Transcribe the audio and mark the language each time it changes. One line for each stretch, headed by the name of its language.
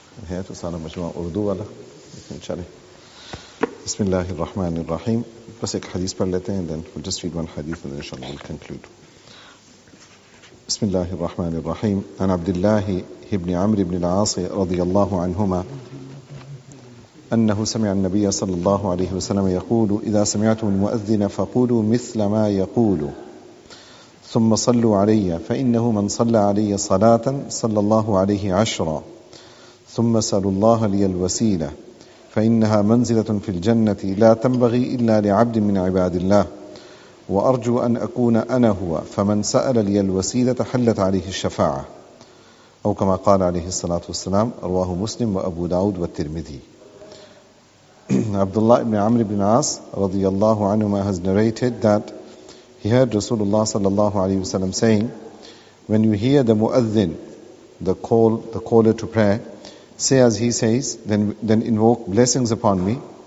Urdu: ہے تو سارا مجموعہ اردو والا، لیکن چلے.
Arabic: بسم اللہ الرحمن الرحیم.
Urdu: بس ایک حدیث پڑھ لیتے ہیں،
English: Then just read one حدیث and انشاءاللہ we'll conclude.
Arabic: بسم اللہ الرحمن الرحیم. عن عبد اللہ ابن عمرو ابن العاص رضی اللہ عنہما انه سمع النبی صلی اللہ علیہ وسلم یقول اذا سمعتم المؤذن فقولوا مثل ما یقول ثم صلوا علی فانه من صلى علی صلاة صلى الله علیہ عشرا ثم سألوا الله لي الوسيلة فإنها منزلة في الجنة لا تنبغي إلا لعبد من عباد الله وأرجو أن أكون أنا هو فمن سأل لي الوسيلة حلت عليه الشفاعة أو كما قال عليه الصلاة والسلام رواه مسلم وأبو داود والترمذي.
English: عبد الله بن عمرو بن العاص رضي الله عنهما has narrated that he heard Rasulullah صلى الله عليه وسلم saying when you hear the muadhin, the caller to prayer, say as he says, then invoke blessings upon me.